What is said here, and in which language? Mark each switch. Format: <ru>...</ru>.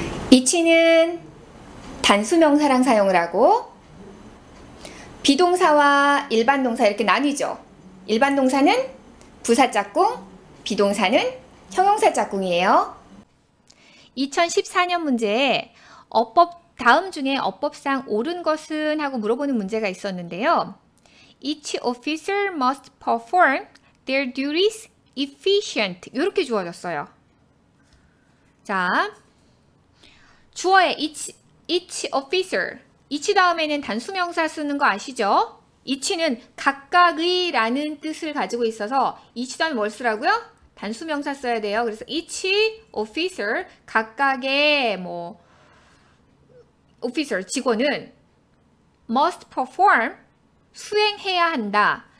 <ko>이치는 단수명사랑 사용을 하고 비동사와 일반 동사 이렇게 나뉘죠. 일반 동사는 부사 짝꿍, 비동사는 형용사 짝꿍이에요. 2014년 문제에 어법 다음 중에 어법상 옳은 것은 하고 물어보는 문제가 있었는데요.</ko> <en>Each officer must perform their duties efficient.</en> <ko>이렇게 주어졌어요. 자, 주어에 each officer. each 다음에는 단수명사 쓰는 거 아시죠? each는 각각의 라는 뜻을 가지고 있어서 each 다음에 뭘 쓰라고요? 단수명사 써야 돼요. 그래서 each officer, 각각의 뭐 officer, 직원은 must perform, 수행해야 한다.</ko>